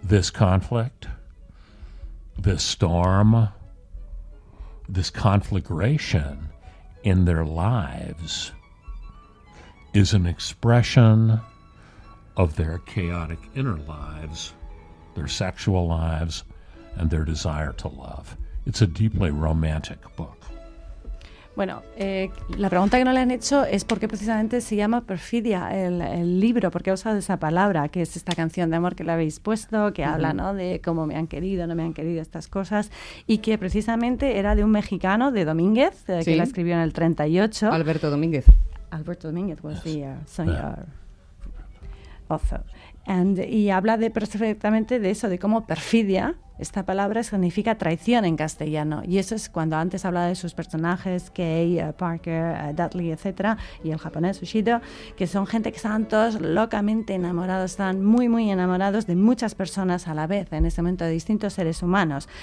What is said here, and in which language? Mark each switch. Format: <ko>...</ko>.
<en>conflict, this storm, this conflagration in their lives is an expression of their chaotic inner lives, their sexual lives, and their desire to love. It's a deeply romantic book.</en> <es>Bueno, la pregunta que no le han hecho es por qué precisamente se llama Perfidia el libro, por qué ha usado esa palabra, que es esta canción de amor que le habéis puesto, que habla, ¿no?, de cómo me han querido, no me han querido, estas cosas, y que precisamente era de un mexicano, de Domínguez, ¿sí?, que la escribió en el 38. Alberto Domínguez.</es> <en>Alberto Domínguez was the senior author.</en> <es>Y habla de perfectamente de eso, de cómo perfidia, esta palabra significa traición en castellano. Y eso es cuando antes hablaba de sus personajes, Kay, Parker, Dudley, etc., y el japonés Ushido, que son gente que estaban todos locamente enamorados, estaban muy, muy enamorados de muchas personas a la vez, en ese momento de distintos seres humanos.</es>